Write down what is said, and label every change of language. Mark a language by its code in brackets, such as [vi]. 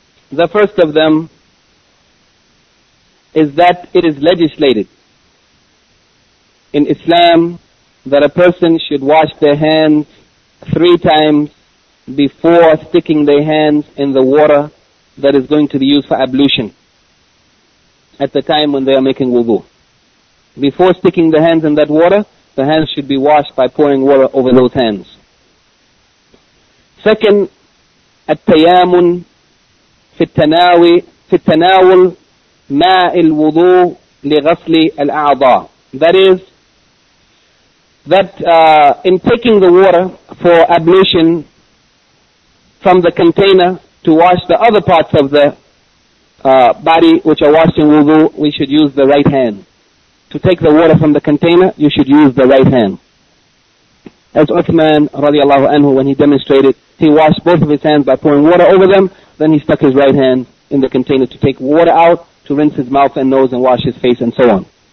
[en] The first of them is that it is legislated in Islam that a person should wash their hands 3 times before sticking their hands in the water that is going to be used for ablution at the time when they are making wudu. Before sticking the hands in that water, the hands should be washed by pouring water over those hands. [ar] Second, التيامن في التناول ماء الوضوء لغسل الأعضاء. [en] That is, that in taking the water for ablution from the container to wash the other parts of the body which are washed in wudu, we should use the right hand. To take the water from the container, you should use the right hand. As Uthman radiallahu anhu, when he demonstrated, he washed both of his hands by pouring water over them, then he stuck his right hand in the container to take water out, to rinse his mouth and nose and wash his face and so on.